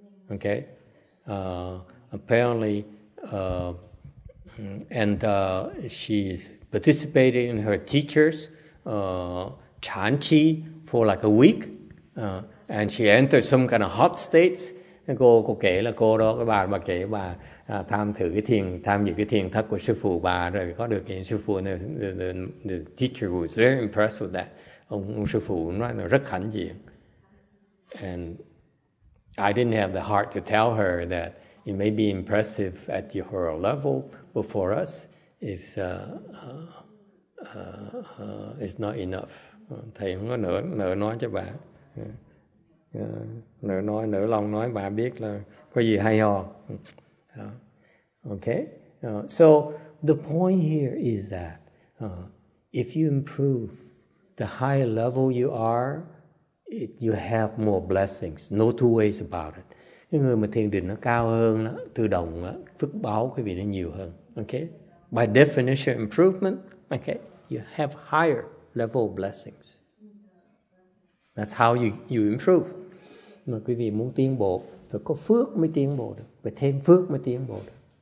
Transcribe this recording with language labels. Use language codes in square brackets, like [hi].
[en] Okay. Apparently, and she's participating in her teacher's chan chi for like a week, and she entered some kind of hot states. [vi] Cô kể là cô đó, cái bà kể bà tham thử cái thiền, tham dự cái thiền thất của sư phụ bà, rồi có được cái sư phụ, [en] the teacher was very impressed with that. [vi] Ông sư phụ nói là rất hãnh diện. [en] And I didn't have the heart to tell her that it may be impressive at your level, but for us, it's not enough. [vi] Thầy không có nỡ nói cho bà. Nỡ lòng nói bà biết là có gì hay ho. [en] Okay? So the point here is that if you improve, the higher level you are, you have more blessings. No two ways about it. [vi] Cái người mà thiền định nó cao hơn, tự động phước báo quý vị nó nhiều hơn. [en] Okay? By definition, improvement, okay, you have higher level blessings. That's how you improve. [vi] Mà quý vị muốn tiến bộ, phải có phước mới tiến bộ được. Phải thêm phước mới tiến bộ được.